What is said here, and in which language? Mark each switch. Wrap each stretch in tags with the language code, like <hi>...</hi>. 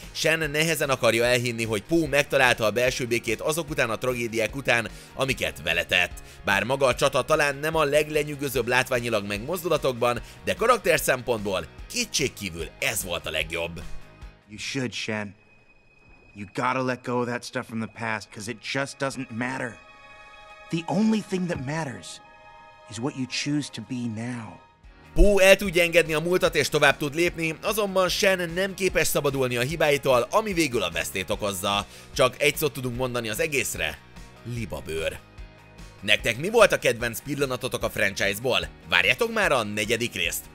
<hu>Shen nehezen akarja elhinni, hogy Po megtalálta a belső békét azok után a tragédiák után, amiket veletett. Bár maga a csata talán nem a leglenyűgözőbb látványilag meg mozdulatokban, de karakter szempontból kétségkívül ez volt a legjobb.</hu> <en>You should, Shen. You gotta let go of that stuff from the past, cause it just doesn't matter. The only thing that matters is what you choose to be now.</en> <hu>Po el tudja engedni a múltat és tovább tud lépni, azonban Shen nem képes szabadulni a hibáitól, ami végül a vesztét okozza. Csak egy szót tudunk mondani az egészre. Libabőr. Nektek mi volt a kedvenc pillanatotok a franchise-ból? Várjátok már a negyedik részt!</hu>